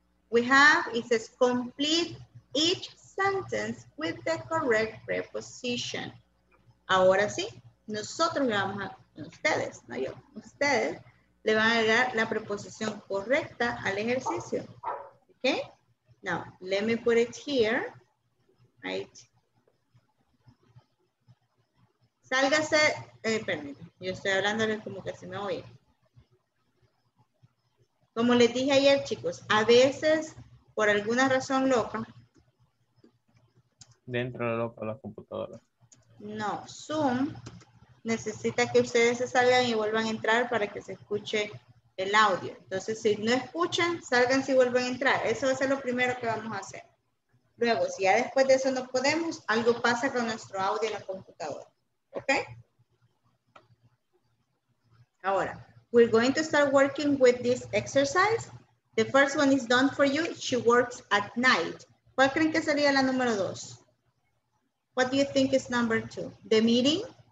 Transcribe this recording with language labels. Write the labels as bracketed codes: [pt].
[en] We have, it says, complete each sentence with the correct preposition. [es] Ahora sí, nosotros le vamos a, ustedes, no yo, ustedes, le van a agregar la preposición correcta al ejercicio. Okay? [en] Now, let me put it here. Right? [es] Sálgase, permítame, yo estoy hablándoles como que se me oye. Como les dije ayer, chicos, a veces, por alguna razón loca. Dentro de loca la computadora. No, Zoom necesita que ustedes se salgan y vuelvan a entrar para que se escuche el audio. Entonces, si no escuchan, salgan si vuelven a entrar. Eso va a ser lo primero que vamos a hacer. Luego, si ya después de eso no podemos, algo pasa con nuestro audio en la computadora. ¿Ok? Ahora. [en] We're going to start working with this exercise. The first one is done for you. She works at night. [es] ¿Cuál creen que sería la número dos? [en] What do you think is number two? The meeting?